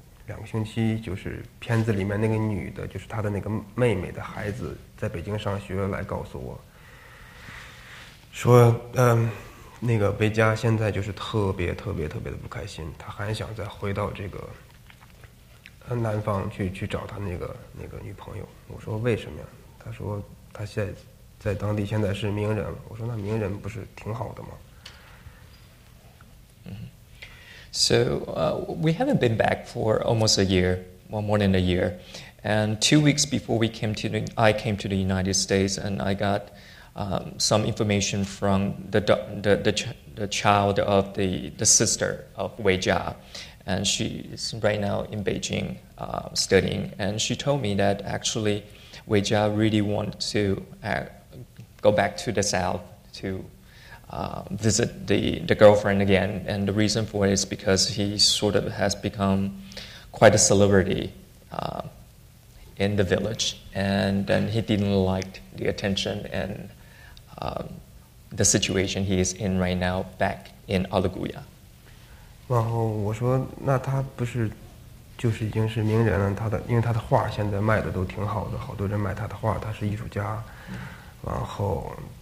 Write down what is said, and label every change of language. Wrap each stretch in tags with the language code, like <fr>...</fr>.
<zh>两个星期，就是片子里面那个女的，就是她的那个妹妹的孩子，在北京上学，来告诉我说，那个维嘉现在就是特别特别特别的不开心，她还想再回到这个南方去找她那个女朋友。我说为什么呀？她说她现在在当地现在是名人了。我说那名人不是挺好的吗？</zh> <en>So we haven't been back for almost a year, well, more than a year. And 2 weeks before I came to the United States, and I got some information from the child of the sister of Weijia. And she's right now in Beijing studying. And she told me that actually Weijia really wanted to go back to the South to visit the girlfriend again, and the reason for it is because he sort of has become quite a celebrity in the village, and then he didn't like the attention and the situation he is in right now back in Aoluguya.</en> <zh>然后我说，那他不是就是已经是名人了？他的因为他的画现在卖的都挺好的，好多人买他的画，他是艺术家。然后。</zh>